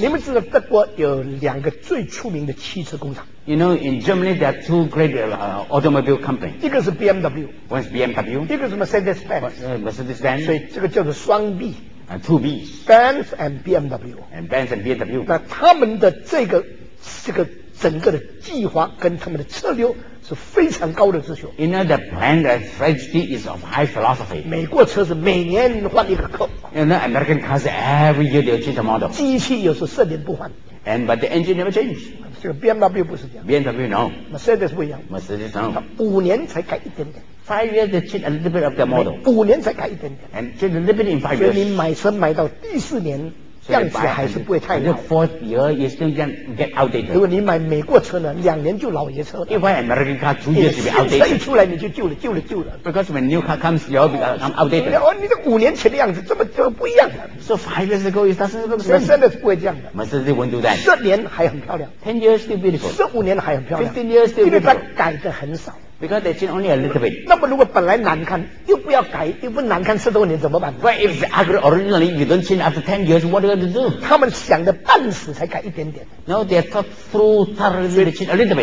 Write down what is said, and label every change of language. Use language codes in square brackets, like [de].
[zh] 你们知道德国有两个最出名的汽车工厂 [en] You know, in Germany, there are two great automobile companies. [zh] 一个是 BMW. [en] One is BMW. [zh] 一个是 Mercedes-Benz. [en] Mercedes-Benz. [zh] 所以这个叫做双 B. [en] Two Bs. Benz and BMW. And Benz and BMW. [zh] 那他们的这个整个的计划跟他们的策略是非常高的追求。 [en] You know, the plan, the strategy is of high philosophy. [zh] 美国车是每年换一个扣。 [en] You know, American cars every year they change the model. [zh] 机器有时四年不换。 [en] And, but the engine never changed. [zh] 这个 BMW 不是这样 [en] BMW no [zh] Mercedes 不一样 [en] Mercedes no [zh] 它五年才改一点点 [en] 5 years they change a little bit of their model [zh] 五年才改一点点 [en] And change a little bit in 5 years [zh] 所以你买车买到第四年样子还是不会太老 [en] 4th year you still get outdated [zh] 如果你买美国车呢两年就老爷车了 [en] You buy American car 2 years to be outdated [zh] 新车一出来你就旧了 [en] Because when new car comes you become outdated [zh] 你的五年前的样子这么就不一样了 [en] So 5 years ago it doesn't look good [zh] 现在不会这样的 [en] Mercedes won't do that [zh] 10年还很漂亮 [en] 10 years still beautiful [zh] 15年还很漂亮 [en] 15 years still beautiful [zh] 因为它改得很少 [en] Because they change only a little bit. [zh] 那么如果本来难看，又不要改，又不难看十多年怎么办 [en] ？Well, if the ugly originally you don't change after 10 years, what are you going to do? [zh] 他们想的半死才改一点点。 [en] No, they thought through thoroughly to change a little bit.